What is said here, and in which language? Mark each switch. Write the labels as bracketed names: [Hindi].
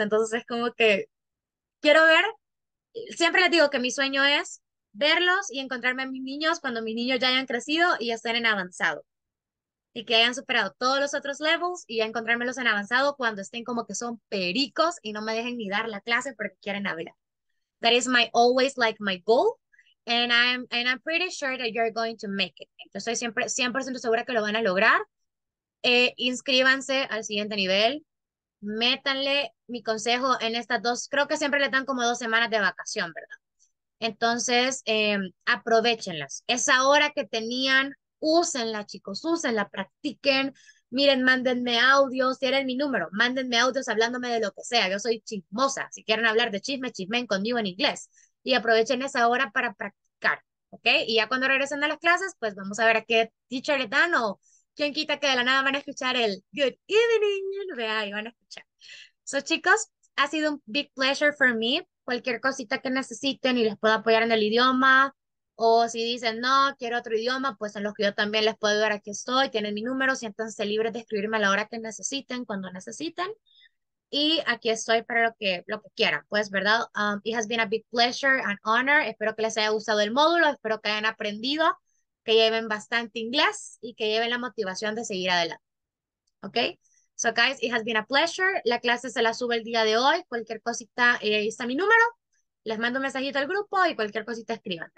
[Spanish] Entonces es como que quiero ver, siempre les digo que mi sueño es verlos y encontrarme a mis niños cuando mis niños ya hayan crecido y ya estén en avanzado. Y que hayan superado todos los otros levels y ya encontrármelos en avanzado cuando estén como que son pericos y no me dejen ni dar la clase porque quieren hablar. [English] That is my always like my goal. And I'm pretty sure that you're going to make it. [Spanish] Yo estoy siempre 100% segura que lo van a lograr. Inscríbanse al siguiente nivel, métanle mi consejo en estas dos, creo que siempre le dan como 2 semanas de vacación, ¿verdad? Entonces, aprovéchenlas. Esa hora que tenían, úsenla, chicos, úsenla, practiquen, miren, mándenme audios, tienen mi número, mándenme audios hablándome de lo que sea, yo soy chismosa, si quieren hablar de chisme, chismen conmigo en inglés y aprovechen esa hora para practicar, ¿ok? Y ya cuando regresen a las clases, pues vamos a ver a qué teacher le dan o quién quita que de la nada van a escuchar el [English] good evening, [Spanish] vea, y van a escuchar. So, chicos, ha sido un [English] big pleasure for me. [Spanish] Cualquier cosita que necesiten y les puedo apoyar en el idioma, o si dicen no, quiero otro idioma, pues en los que yo también les puedo ayudar, aquí estoy, tienen mi número, siéntanse libres de escribirme a la hora que necesiten, cuando necesiten. Y aquí estoy para lo que quieran, pues, ¿verdad? [English] It has been a big pleasure and honor. [Spanish] Espero que les haya gustado el módulo, espero que hayan aprendido, que lleven bastante inglés y que lleven la motivación de seguir adelante. ¿Ok? [English] So, guys, it has been a pleasure. [Spanish] La clase se la subo el día de hoy. Cualquier cosita, ahí está mi número. Les mando un mensajito al grupo y cualquier cosita escriban.